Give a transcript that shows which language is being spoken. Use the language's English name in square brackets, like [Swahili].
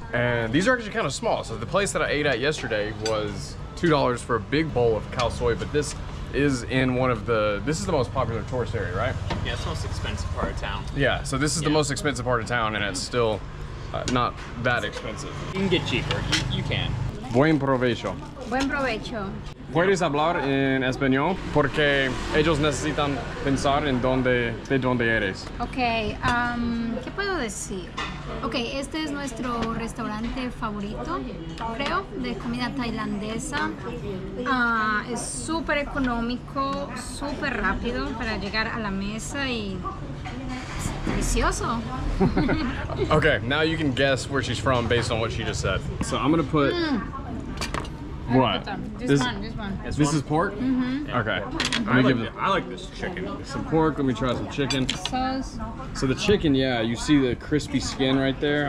[English] And these are actually kind of small, so the place that I ate at yesterday was $2 for a big bowl of khao soi, but this is in one of the, this is the most popular tourist area, right? Yeah, it's the most expensive part of town. Yeah, so this is the most expensive part of town, and it's still not that expensive. You can get cheaper. You can. [Spanish] Buen provecho. Buen provecho. Puedes hablar en español porque ellos necesitan pensar en dónde eres. Okay. ¿Qué puedo decir? Okay. Este es nuestro restaurante favorito, creo, de comida tailandesa. Es súper económico, súper rápido para llegar a la mesa y. [English] Okay, now you can guess where she's from based on what she just said. So I'm gonna put What? This one. This is pork? Mm-hmm. Okay. I like this chicken. Some pork. Let me try some chicken. Sauce. So the chicken, yeah, you see the crispy skin right there?